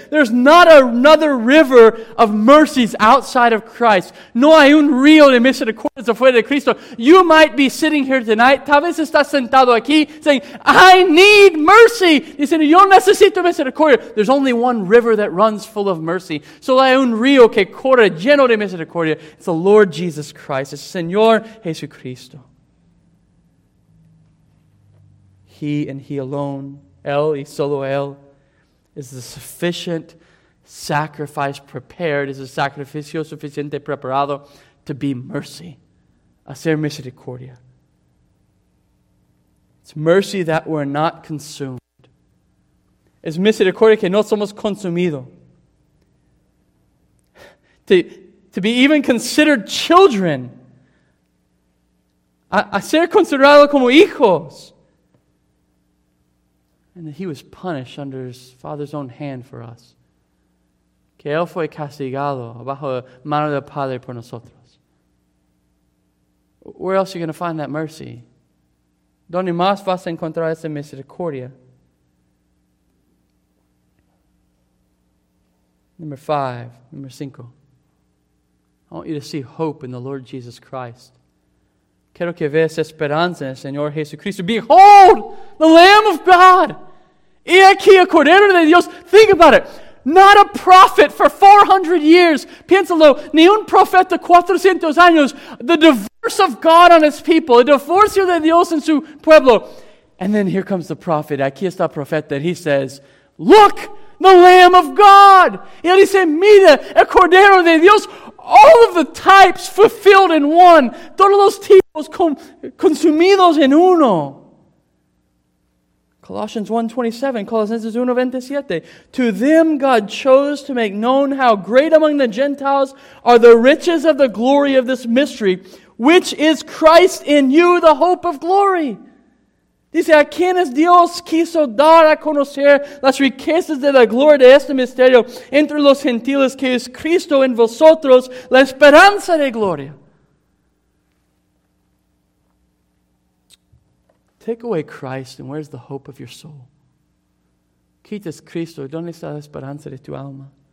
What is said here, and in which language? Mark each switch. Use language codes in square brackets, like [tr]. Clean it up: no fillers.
[en] There's not another river of mercies outside of Christ. [es] No hay un río de misericordias afuera de Cristo. [en] You might be sitting here tonight. [es] Tal vez estás sentado aquí [en] saying, I need mercy. [es] Dice, yo necesito misericordia. [en] There's only one river that runs full of mercy. [es] Solo hay un río que corre lleno de misericordia. [en] It's the Lord Jesus Christ. It's Señor Jesucristo. He and he alone. [es] Él y solo Él [en] is the sufficient sacrifice prepared, is a [es] sacrificio suficiente preparado [en] to be mercy, [es] hacer misericordia. [en] It's mercy that we're not consumed. [es] Es misericordia que no somos consumido. [en] To be even considered children [es] a ser considerado como hijos. [en] And that he was punished under his father's own hand for us. [es] Que él fue castigado bajo la mano del Padre por nosotros. [en] Where else are you going to find that mercy? [es] ¿Dónde más vas a encontrar esa misericordia? [en] Number 5, number 5. I want you to see hope in the Lord Jesus Christ. [es] Quiero que veas esperanza en el Señor Jesucristo. [en] Behold, the Lamb of God. [es] Y aquí el Cordero de Dios. [en] Think about it. Not a prophet for 400 years. [es] Piénsalo. Ni un profeta 400 años. [en] The divorce of God on his people. [es] El divorcio de Dios en su pueblo. [en] And then here comes the prophet. [es] Aquí está el profeta. [en] He says, look, the Lamb of God. [es] Y él dice, mira, el Cordero de Dios. [en] All of the types fulfilled in one. [es] Todos los tipos consumidos en uno. [en] Colossians 1:27, Colossians 1:27. To them God chose to make known how great among the Gentiles are the riches of the glory of this mystery, which is Christ in you, the hope of glory. [es] Dice, a quienes Dios quiso dar a conocer las riquezas de la gloria de este misterio entre los gentiles, que es Cristo en vosotros, la esperanza de gloria. [en] Take away Christ, and where's the hope of your soul? [es] Quitas Cristo, ¿dónde está la esperanza de tu alma?